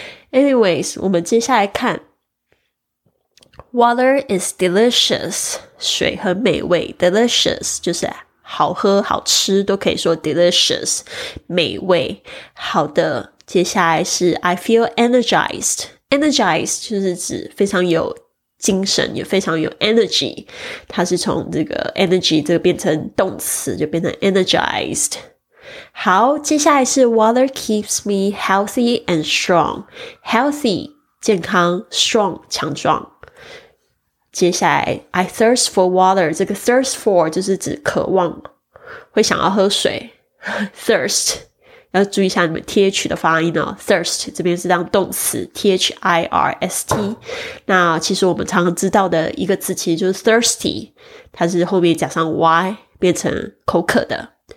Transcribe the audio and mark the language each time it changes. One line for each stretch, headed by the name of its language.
Chinese: Anyways, 我们接下来看
English: Water is delicious,
Chinese: 水很美味， delicious 就是好喝好吃，都可以说 delicious, 美味。好的，接下来是
English: I feel energized.
Chinese: Energized 就是指非常有精神，也非常有 energy. 它是从这个 energy 这个变成动词，就变成 energized. 好，接下来是
English: Water keeps me healthy and strong.
Chinese: Healthy 健康， strong 强壮。接下来
English: I thirst for water.
Chinese: 这个 thirst for 就是指渴望，会想要喝水。
English: Thirst.
Chinese: 要注意一下你们 th 的发音哦， thirst 这边是当动词 thirst， 那其实我们常常知道的一个字其实就是 thirsty， 它是后面加上 y 变成口渴的。